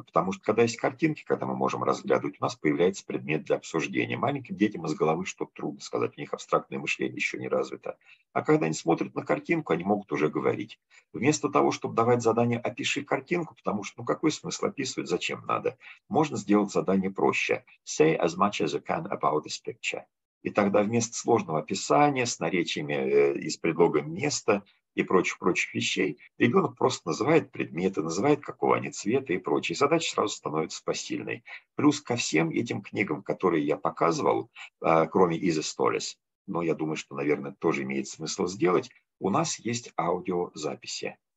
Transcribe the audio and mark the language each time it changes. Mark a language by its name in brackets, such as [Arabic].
[Russian] Потому что когда есть картинки, когда мы можем разглядывать, у нас появляется предмет для обсуждения. Маленьким детям из головы что-то трудно сказать, у них абстрактное мышление еще не развито. А когда они смотрят на картинку, они могут уже говорить. Вместо того, чтобы давать задание «опиши картинку», потому что ну какой смысл описывать, зачем надо, можно сделать задание проще. [English] «Say as much as you can about this picture». [Russian] И тогда вместо сложного описания с наречиями и с предлогом «место», и прочих-прочих вещей, ребенок просто называет предметы, называет, какого они цвета и прочее. Задача сразу становится посильной. Плюс ко всем этим книгам, которые я показывал, кроме «Easy Stories», но я думаю, что, наверное, тоже имеет смысл сделать, у нас есть аудиозаписи.